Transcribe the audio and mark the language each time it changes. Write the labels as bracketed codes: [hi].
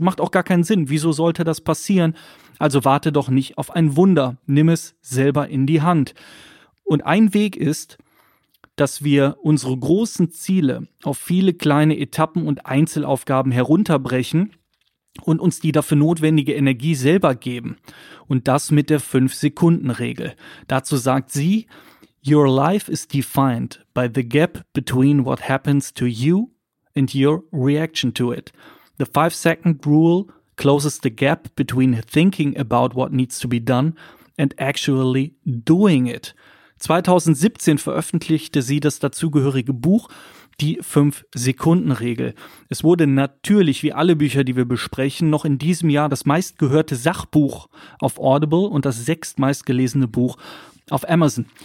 [de] Macht auch gar keinen Sinn. Wieso sollte das passieren? Also warte doch nicht auf ein Wunder. Nimm es selber in die Hand. Und ein Weg ist, dass wir unsere großen Ziele auf viele kleine Etappen und Einzelaufgaben herunterbrechen und uns die dafür notwendige Energie selber geben. Und das mit der 5-Sekunden-Regel. Dazu sagt sie: [en] Your life is defined by the gap between what happens to you and your reaction to it. The 5-second rule closes the gap between thinking about what needs to be done and actually doing it. [de] 2017 veröffentlichte sie das dazugehörige Buch, die 5-Sekunden-Regel. Es wurde natürlich, wie alle Bücher, die wir besprechen, noch in diesem Jahr das meistgehörte Sachbuch auf Audible und das 6. meistgelesene Buch auf Amazon.